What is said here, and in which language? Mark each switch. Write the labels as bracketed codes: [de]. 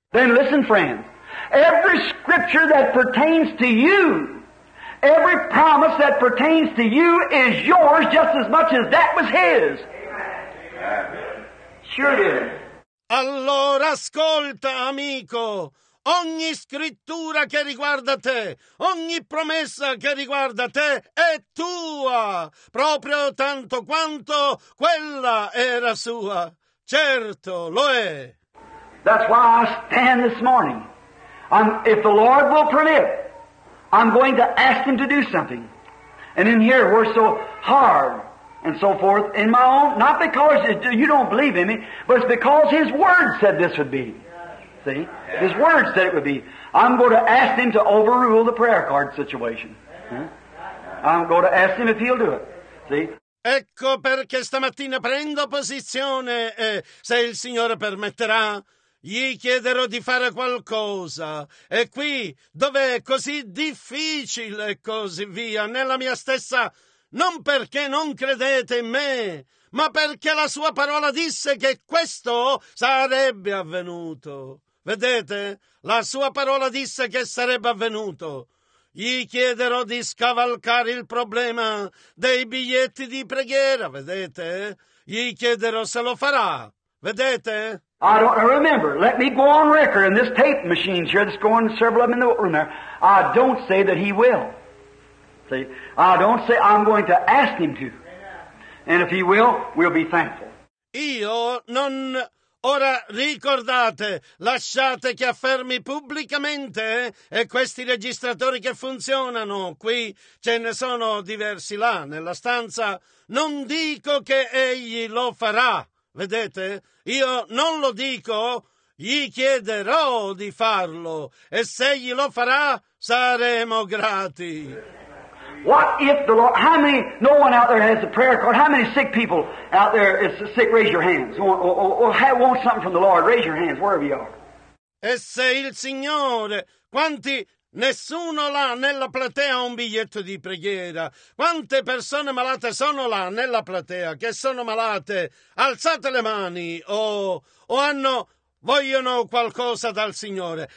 [en] Then listen, friends. Every scripture that pertains to you, every promise that pertains to you is yours just as much as that was his. Amen. Sure did. [it] Allora ascolta, amico, ogni scrittura che riguarda te, ogni promessa che riguarda te è tua, proprio tanto quanto quella era sua. Certo, lo è. [en] That's why I stand this morning. If the Lord will permit, I'm going to ask him to do something. And in here, we're so hard and so forth in my own, not because you don't believe in me, but it's because his word said this would be. See? His word said it would be. I'm going to ask him to overrule the prayer card situation. Huh? I'm going to ask him if he'll do it. See? [it] Ecco perché stamattina prendo posizione e se il Signore permetterà, gli chiederò di fare qualcosa, e qui, dove è così difficile e così via, nella mia stessa, non perché non credete in me, ma perché la sua parola disse che questo sarebbe avvenuto. Vedete? La sua parola disse che sarebbe avvenuto. Gli chiederò di scavalcare il problema dei biglietti di preghiera, vedete? Gli chiederò se lo farà, vedete? [en] I don't remember. Let me go on record in this tape machine here that's going to several of them in the room there. I don't say that he will. See? I don't say I'm going to ask him to. And if he will, we'll be thankful. [it] Io non... Ora ricordate, lasciate che affermi pubblicamente, e questi registratori che funzionano qui, ce ne sono diversi là nella stanza, non dico che egli lo farà. Vedete? Io non lo dico, gli chiederò di farlo, e se egli lo farà, saremo grati. [en] What if the Lord, how many, no one out there has a prayer card, how many sick people out there is sick, raise your hands, want something from the Lord, raise your hands, wherever you are. [it] E se il Signore, quanti, nessuno là nella platea ha un biglietto di preghiera. Quante persone malate sono là nella platea che sono malate? Alzate le mani o vogliono qualcosa dal Signore.